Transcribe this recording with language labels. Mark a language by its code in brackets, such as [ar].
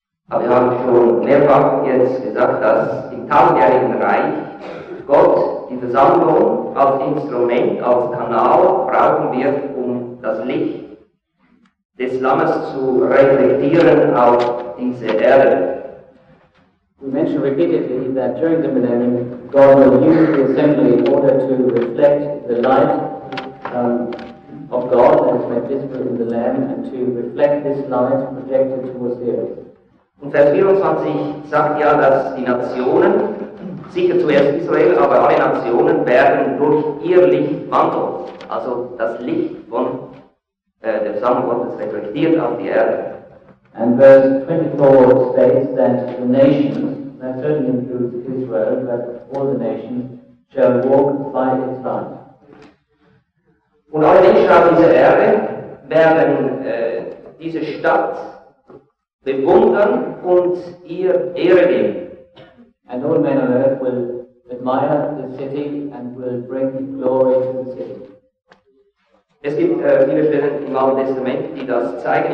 [de] Aber wir haben schon mehrfach jetzt gesagt, dass im tausendjährigen Reich Gott die Versammlung als Instrument, als Kanal brauchen wird, um das Licht des Lammes zu reflektieren auf diese Erde. [en] We mentioned repeatedly that during the millennium God will use the assembly in order to reflect the light of God that is made visible in the Lamb and to reflect this light projected towards the earth. [de] Und Vers 24 sagt ja, dass die Nationen, sicher zuerst Israel, aber alle Nationen werden durch ihr Licht wandeln. Also das Licht von der Versammlung Gottes reflektiert auf die Erde. [en] And verse 24 states that the nations, that certainly includes Israel, but all the nations, shall walk by its light. [de] Und alle Menschen auf dieser Erde werden diese Stadt bewundern und ihr Ehre geben. [en] And all men on earth will admire the city and will bring glory to the city. [de] Es gibt viele Stellen im Alten Testament, die das zeigen.